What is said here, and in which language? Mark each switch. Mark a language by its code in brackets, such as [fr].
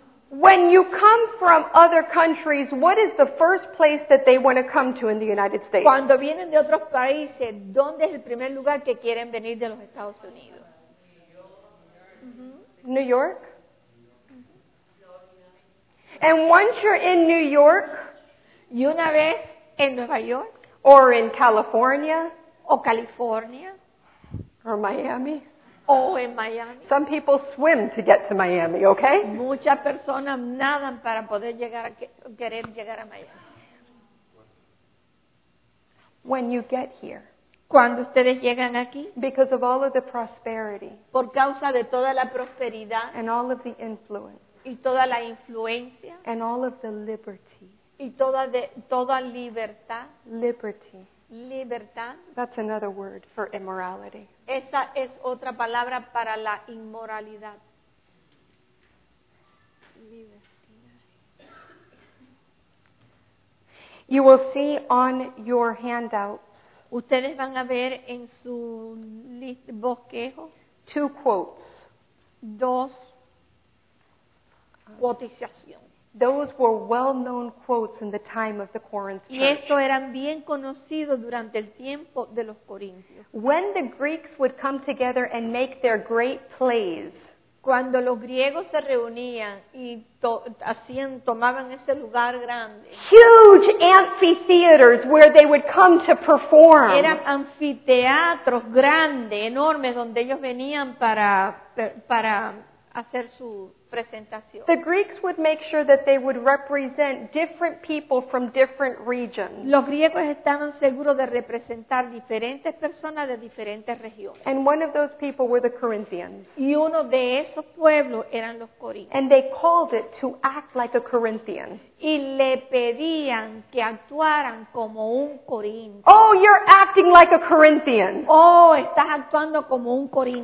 [en] When you come from other countries, what is the first place that they want to come to in the United States? [es] Cuando vienen de otros países, ¿dónde es el primer lugar que quieren venir de los Estados Unidos? [en] New York. And once you're in New York, [es] y una vez en Nueva York, [en] or in California, [es] o California, [en] or Miami. Oh, in Miami. Some people swim to get to Miami, okay? [es] Muchas personas nadan para poder querer llegar a Miami. [en] When you get here. [es] Cuando ustedes llegan aquí. [en] Because of all of the prosperity. [es] Por causa de toda la prosperidad. [en] And all of the influence. [es] Y toda la influencia. [en] And all of the liberty. [es] Y toda libertad. [en] Liberty. [es] Libertad. [en] That's another word for immorality. [es] Esa es otra palabra para la inmoralidad. [en] You will see on your handouts. [es] Ustedes van a ver en su bosquejo. [en] Two quotes. [es] Dos quotizaciones. [en] Those were well-known quotes in the time of the Corinth church. [es] Y estos eran bien conocidos durante el tiempo de los corintios. [en] When the Greeks would come together and make their great plays. [es] Cuando los griegos se reunían y tomaban ese lugar grande. [en] Huge amphitheaters where they would come to perform. [es] Eran anfiteatros grandes, enormes, donde ellos venían para hacer su presentación. [en] The Greeks would make sure that they would represent different people from different regions. [es] Los griegos estaban seguros de representar diferentes personas de diferentes regiones. [en] And one of those people were the Corinthians. [es] Y uno de esos pueblos eran los corintios. [en] And they called it to act like a Corinthian. [es] Y le pedían que actuaran como un corintio. [en] Oh, you're acting like a Corinthian. [es] Oh, estás actuando como un corintio.